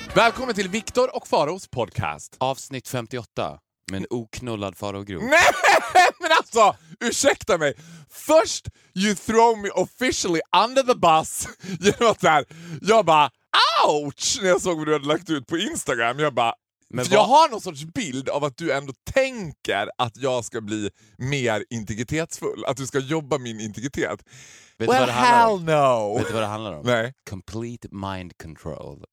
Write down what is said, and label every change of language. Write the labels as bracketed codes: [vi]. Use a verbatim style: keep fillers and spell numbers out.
[sv] Välkommen till Victor och Pharaohs podcast. Avsnitt femtioåtta. Men oknullad Pharaoh Groth. Nej, men alltså, ursäkta mig. [en] Först, you throw me officially under the bus. [sv] Genom att där, jag bara... ouch! När jag såg vad du hade lagt ut på Instagram. Jag bara, men jag har någon sorts bild av att du ändå tänker att jag ska bli mer integritetsfull. Att du ska jobba min integritet. Vet [en] well, [sv] vad det handlar [en] hell no! [sv] Vet du vad det handlar om? Nej. [en] Complete mind control.